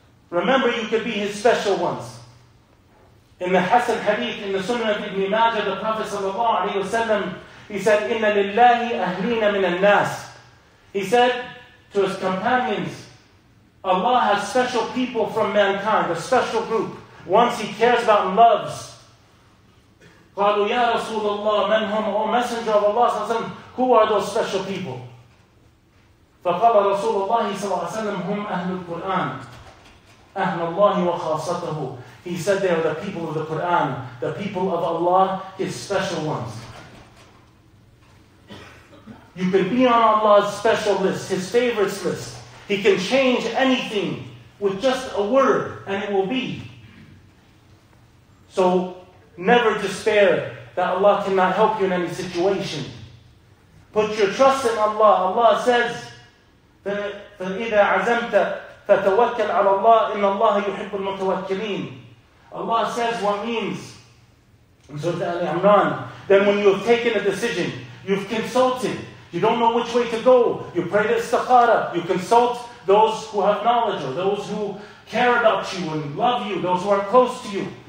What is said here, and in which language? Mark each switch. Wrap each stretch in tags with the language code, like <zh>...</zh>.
<en>Remember, you could be His special ones. In the Hasan Hadith, in the Sunnah of Ibn Majah, the Prophet sallallahu alaihi wasallam, he said,</en> <ar>"Inna lillahi ahlina min al-nas."</ar> <en>He said to his companions, "Allah has special people from mankind, a special group, ones He cares about and loves."</en> <ar>قَالُوا يَا رَسُولَ اللَّهِ مَنْ هُمْ</ar> <en>O Messenger of Allah</en> <ar>صلى الله عليه وسلم,</ar> <en>who are those special people?</en> <ar>فَقَالَ رَسُولَ اللَّهِ صلى الله عليه وسلم هُمْ أَهْلُ الْقُرْآنِ أَهْلَ اللَّهِ وَخَاصَّتَهُ.</ar> <en>He said they are the people of the Qur'an, the people of Allah, His special ones. You can be on Allah's special list, His favorites list. He can change anything with just a word, and it will be. So never despair that Allah cannot help you in any situation. Put your trust in Allah. Allah says,</en> <ar>فَإِذَا عَزَمْتَ فَتَوَكَّلْ عَلَى اللَّهِ إِنَّ اللَّهَ يُحِبُّ الْمُتَوَكِّلِينَ.</ar> <en>Allah says what means in Surah Ali Imran, then when you've taken a decision, you've consulted, you don't know which way to go, you pray the istikhara, you consult those who have knowledge or those who care about you and love you, those who are close to you.</en>